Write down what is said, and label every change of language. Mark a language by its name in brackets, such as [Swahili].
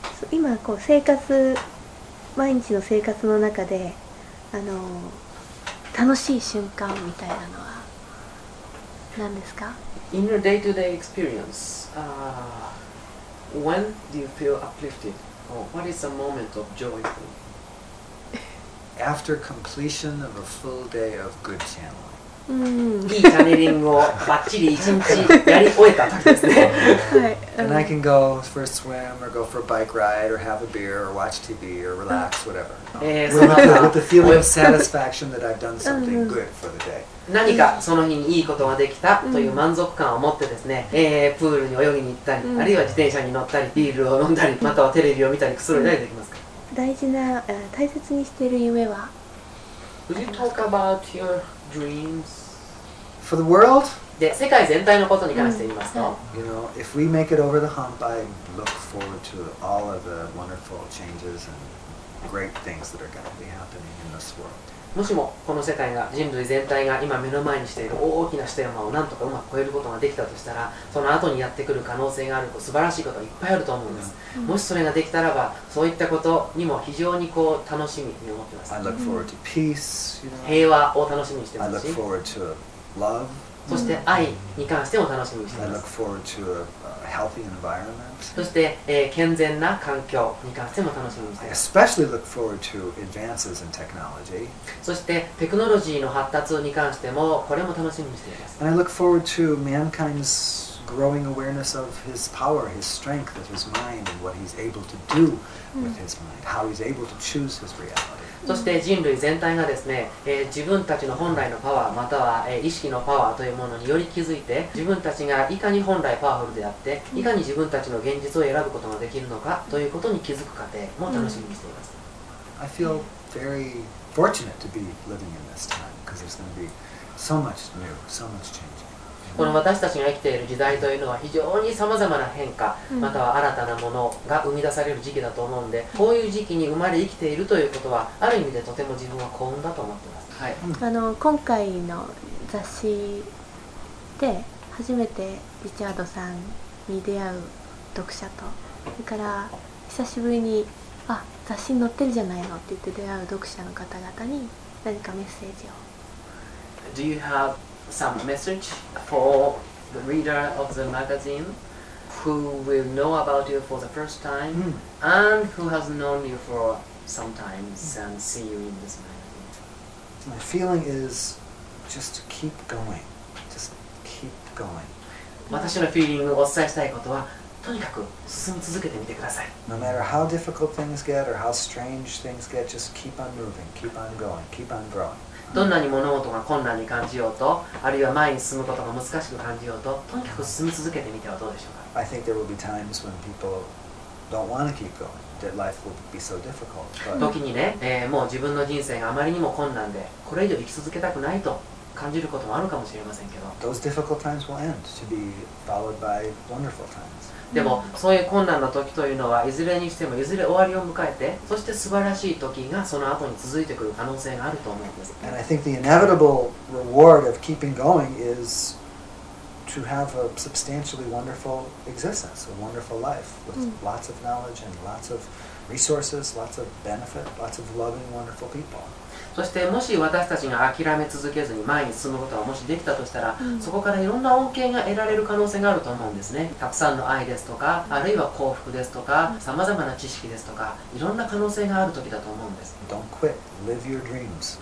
[Japanese] 今こう生活、毎日の生活の中で、楽しい瞬間みたいなのは、 [English] In your day-to-day experience, when do you feel uplifted? Or what is the moment of joy for you? After completion of a full day of good channeling. [Japanese] いいチャネリングをバッチリ一日やり終えた時ですね。 [English] And I can go for a swim or go for a bike ride or have a beer or watch TV or relax, whatever. With the feeling of satisfaction that I've done something good for the day. [Japanese] 何かその日にいいことができたという満足感を持ってですね、プールに泳ぎに行ったり、あるいは自転車に乗ったり、ビールを飲んだり、またはテレビを見たり、くつろいだりできますか。大事な、大切にしている夢は [English] Would you talk about your dreams? For the world? [Japanese] で、世界全体のことに関して言いますと、 [English] You know, if we make it over the hump, I look forward to all of the wonderful changes and great things that are going to be happening in this world. [Japanese] もしもこの世界が人類全体が今目の前にしている大きな一山をなんとかうまく越えることができたとしたらその後にやってくる可能性がある素晴らしいことがいっぱいあると思うんです、もしそれができたらばそういったことにも非常にこう楽しみに思っています。 [English] I look forward to peace, you know? [Japanese] 平和を楽しみにしていますし [English] I look forward to love. [Japanese] そして愛に関しても楽しみにしています。 [English] I look forward to a healthy environment. [Japanese] そして、健全な環境に関しても楽しみにしています [English] 。 I especially look forward to advances in technology. [Japanese] そしてテクノロジーの発達に関してもこれも楽しみにしています。 [English] And I look forward to mankind's growing awareness of his power, his strength, of his mind, and what he's able to do with his mind, how he's able to choose his reality. [Japanese] そして人類全体がですね、自分たちの本来のパワーまたは、意識のパワーというものにより気づいて自分たちがいかに本来パワフルであっていかに自分たちの現実を選ぶことができるのかということに気づく過程も楽しみにしています。 [English] I feel very fortunate to be living in this time because there's going to be so much new, so much changing. [Japanese] この私たちが生きている時代というのは非常にさまざまな変化または新たなものが生み出される時期だと思うんでこういう時期に生まれ生きているということはある意味でとても自分は幸運だと思っています、今回の雑誌で初めてリチャードさんに出会う読者とそれから久しぶりにあ雑誌に載ってるじゃないのって言って出会う読者の方々に何かメッセージを [English] Do you haveSome message for the reader of the magazine who will know about you for the first time and who has known you for some time and see you in this magazine. My feeling is just keep going. Just keep going. [Japanese] 私のフィーリングをお伝えしたいことはとにかく進み続けてみてください。 [English] No matter how difficult things get or how strange things get, just keep on moving, keep on going, keep on growing. [Japanese] どんなに物事が困難に感じようと、あるいは前に進むことが難しく感じようと、とにかく進み続けてみてはどうでしょうか。 [English] I think there will be times when people don't want to keep going, that life will be so difficult. [Japanese] 時にね、もう自分の人生があまりにも困難で、これ以上生き続けたくないと感じることもあるかもしれませんけど。 [English] Those difficult times will end to be followed by wonderful times. [Japanese] でも、そういう困難な時というのは、いずれにしてもいずれ終わりを迎えて、そして素晴らしい時がその後に続いてくる可能性があると思うんです。 [English] And I think the inevitable reward of keeping going is to have a substantially wonderful existence, a wonderful life with lots of knowledge and lots of resources, lots of benefit, lots of loving, wonderful people. [Japanese] そしてもし私たちが諦め続けずに前に進むことがもしできたとしたら、そこからいろんな恩恵が得られる可能性があると思うんですね。たくさんの愛ですとか、あるいは幸福ですとか、さまざまな知識ですとか、いろんな可能性がある時だと思うんです。 [English] Don't quit. Live your dreams.